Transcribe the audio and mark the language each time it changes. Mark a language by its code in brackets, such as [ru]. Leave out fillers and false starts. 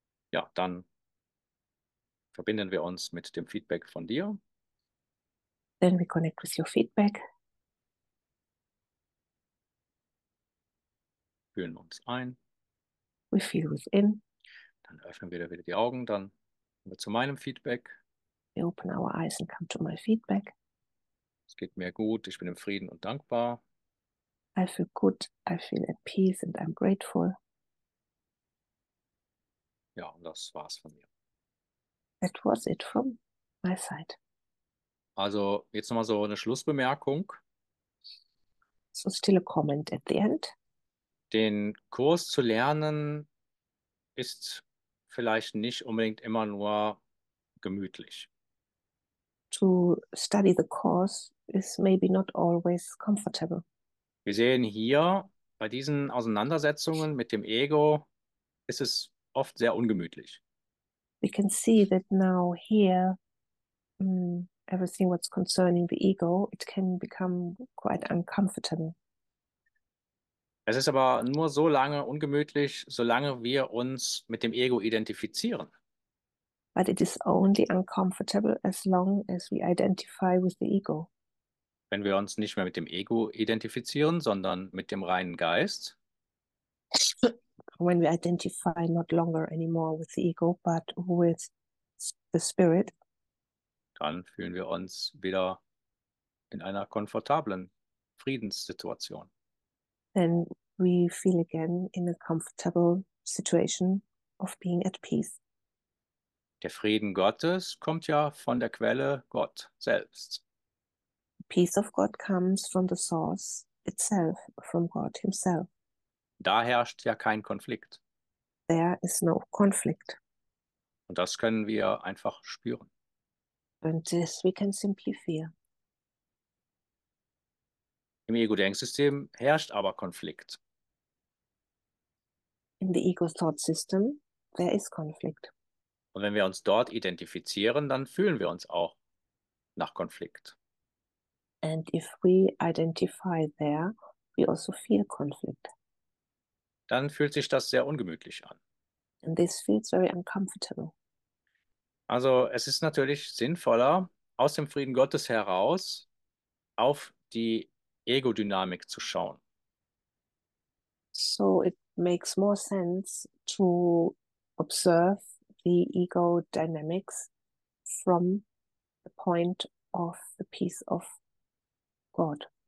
[de] Ja, dann verbinden wir uns mit dem Feedback von dir. [en] Then we connect with your feedback. [de] Fühlen uns ein. [en] We feel within. [de] Dann öffnen wir wieder die Augen, dann kommen wir zu meinem Feedback. [en] We open our eyes and come to my feedback. [de] Es geht mir gut, ich bin im Frieden und dankbar. [en] I feel good, I feel at peace and I'm grateful. [de] Ja, und das war's von mir. [en] That was it from my side. [de] Also, jetzt nochmal so eine Schlussbemerkung. [en] So still a comment at the end. [de] Den Kurs zu lernen ist vielleicht nicht unbedingt immer nur gemütlich. [en] To study the course is maybe not always comfortable. [de] Wir sehen hier, bei diesen Auseinandersetzungen mit dem Ego ist es oft sehr ungemütlich. [en] We can see that now here, everything what's concerning the ego, it can become quite uncomfortable. [de] Es ist aber nur so lange ungemütlich, solange wir uns mit dem Ego identifizieren. [en] But it is only uncomfortable as long as we identify with the ego. [de] Wenn wir uns nicht mehr mit dem Ego identifizieren, sondern mit dem reinen Geist. [en] When we identify not longer anymore with the ego, but with the spirit. [de] Dann fühlen wir uns wieder in einer komfortablen Friedenssituation. [en] Then we feel again in a comfortable situation of being at peace. [de] Der Frieden Gottes kommt ja von der Quelle Gott selbst. [en] Peace of God comes from the source itself, from God himself. [de] Da herrscht ja kein Konflikt. [en] There is no conflict. [de] Und das können wir einfach spüren. [en] And this we can simply feel. [de] Im Ego-Denksystem herrscht aber Konflikt. [en] In the ego thought system, there is conflict. [de] Und wenn wir uns dort identifizieren, dann fühlen wir uns auch nach Konflikt. [en] And if we identify there, we also feel conflict. [de] Dann fühlt sich das sehr ungemütlich an. [en] And this feels very uncomfortable. [de] Also es ist natürlich sinnvoller, aus dem Frieden Gottes heraus auf die Ego-Dynamik zu schauen. [en] So it makes more sense to observe the ego dynamics from the point of the peace of God.